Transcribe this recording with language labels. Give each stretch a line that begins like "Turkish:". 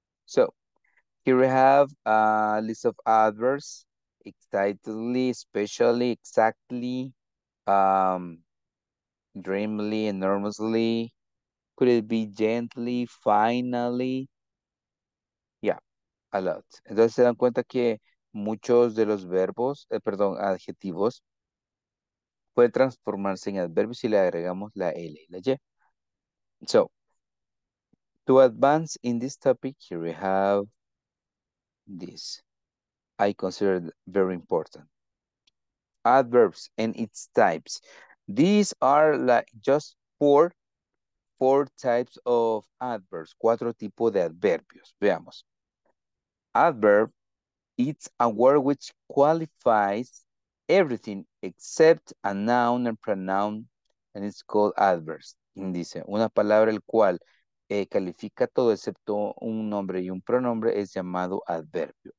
English: So, here we have a list of adverbs, excitedly, especially, exactly, dreamily, enormously, could it be gently, finally, yeah, a lot.
Spanish: Entonces se dan cuenta que muchos de los verbos, perdón, adjetivos, puede transformarse en adverbio si le agregamos la L y la Y.
English: So, to advance in this topic, here we have this. I consider it very important. Adverbs and its types. These are like just four types of adverbs.
Spanish: Cuatro tipos de adverbios. Veamos.
English: Adverb, it's a word which qualifies everything except a noun and pronoun, and it's called adverbs.
Spanish: Dice, una palabra el cual califica todo excepto un nombre y un pronombre es llamado adverbio.